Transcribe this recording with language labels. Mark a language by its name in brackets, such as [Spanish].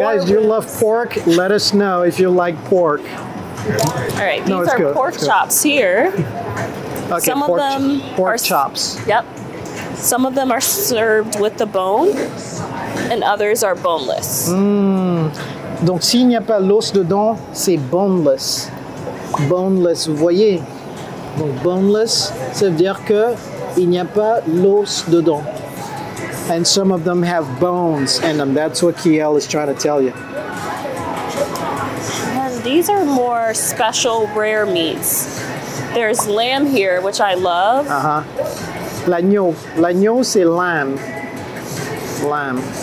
[English] Guys, ribs. You love pork? Let us know if you like pork. All right, these are pork chops here. Okay, some pork of them pork chops. Yep. Some of them are served with the bone and others are boneless. [French] Donc s'il n'y a pas l'os dedans, c'est boneless. Boneless, vous voyez? Donc boneless, ça veut dire que il n'y a pas l'os dedans. [English] And some of them have bones in them. That's what Kiel is trying to tell you. And these are more special rare meats. There's lamb here, which I love. [French] Uh-huh. L'agneau. L'agneau, c'est lamb. Lamb.